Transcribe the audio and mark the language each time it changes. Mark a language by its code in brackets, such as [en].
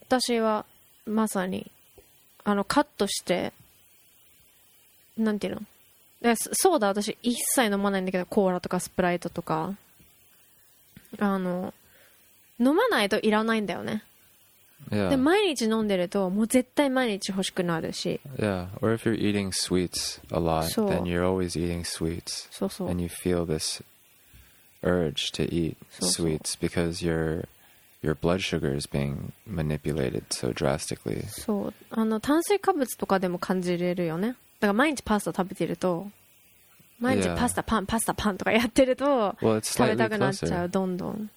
[ja] 私はまさにカットして、なんていうの、そうだ、私一切飲まないんだけど、コーラとかスプライトとか飲まないといらないんだよね。 [en] Yeah. [ja] で毎日飲んでるともう絶対毎日欲しくなるし。 [en] Yeah, or if you're eating sweets a lot, then you're always eating sweets. [ja] そうそう。 [en] And you feel this urge to eat sweets because your blood sugar is being manipulated so drastically. [ja] そう。炭水化物とかでも感じれるよね。だから毎日パスタ食べてると、毎日パスタパン、パスタパンとかやってると食べたくなっちゃう、どんどん。